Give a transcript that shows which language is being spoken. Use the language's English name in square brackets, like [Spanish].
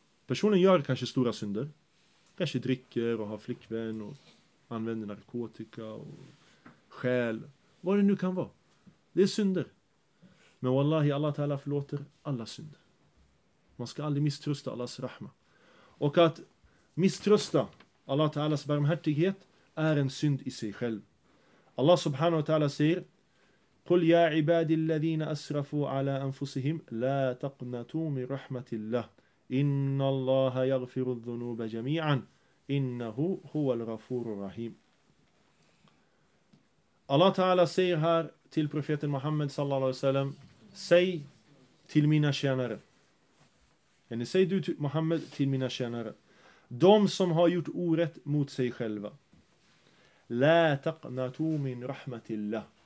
[Swedish] Personen gör kanske stora synder. Kanske dricker och har flickvän och använder narkotika och själ. Vad det nu kan vara. Det är synder. Men wallahi, Allah ta'ala förlåter alla synder. Man ska aldrig misströsta Allahs rahma. Och att misströsta Allah ta'alas barmhärtighet är en synd i sig själv. [Arabic] Allah subhanahu wa ta'ala säger: قُلْ يَا عِبَادِ الَّذِينَ أَسْرَفُوا عَلَىٰ أَنفُسِهِمْ لَا تَقْنَتُوا مِنْ رَحْمَةِ اللَّهِ إِنَّ اللَّهَ يَغْفِرُ الذُّنُوبَ جَمِيعًا إِنَّهُ هُوَ الْغَفُورُ الرَّحِيمُ. [Swedish] Allah ta'ala säger här till profeten Muhammad sallallahu alaihi wasallam: säg till mina tjänare. Eller säg du till Muhammad till mina tjänare: de som har gjort orätt mot sig själva. [Arabic] لَا تَقْنَتُوا مِنْ رَحْمَةِ اللَّهِ.